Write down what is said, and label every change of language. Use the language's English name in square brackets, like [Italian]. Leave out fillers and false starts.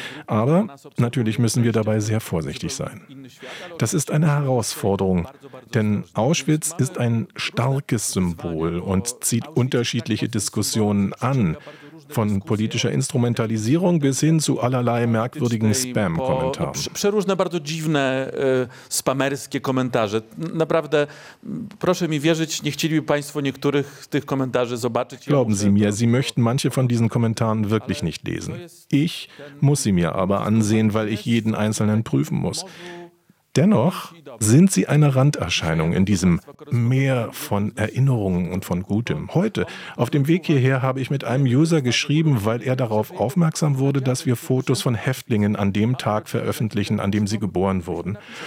[German] Aber natürlich müssen wir dabei sehr vorsichtig sein. Das ist eine Herausforderung, denn Auschwitz ist ein starkes Symbol und zieht unterschiedliche Diskussionen an, von politischer Instrumentalisierung bis hin zu allerlei merkwürdigen Spam-Kommentaren. [Polish] Przeróżne, bardzo dziwne spamerskie komentarze. Naprawdę, proszę mi wierzyć, nie chcieliby Państwo niektórych tych komentarzy zobaczyć. [German] Glauben Sie mir, Sie möchten manche von diesen Kommentaren wirklich nicht lesen. Ich muss sie mir aber ansehen, weil ich jeden einzelnen prüfen muss. Dennoch sind sie eine Randerscheinung in diesem Meer von Erinnerungen und von Gutem. Heute, auf dem Weg hierher, habe ich mit einem User geschrieben, weil er darauf aufmerksam wurde, dass wir Fotos von Häftlingen an dem Tag veröffentlichen, an dem sie geboren wurden.